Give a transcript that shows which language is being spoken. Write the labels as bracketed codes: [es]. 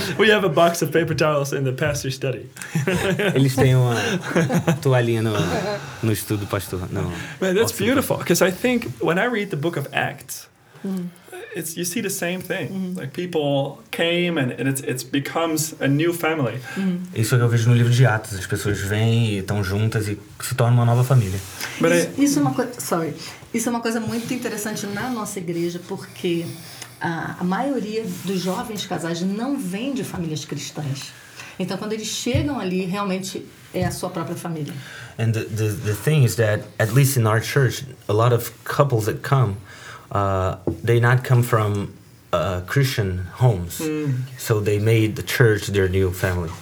[en] we have a box of paper towels in the pastor's study. [pt] Eles têm uma toalhinha no estudo pastor. No, [en] man, that's awesome. Beautiful, because I think when I read the book of Acts, it's, you see the same thing. Mm-hmm. Like people came and it's becomes a new family. Mm-hmm. [pt] Isso é o que eu vejo no livro de Atos. As pessoas vêm e estão juntas e se tornam uma nova família. Isso é uma coisa muito interessante na nossa igreja, porque a maioria dos jovens casais não vem de famílias cristãs. Então, quando eles chegam ali, realmente é a sua própria família. [en] And the thing is that, at least in our church, a lot of couples that come, they not come from Christian homes, so they made the church their new family.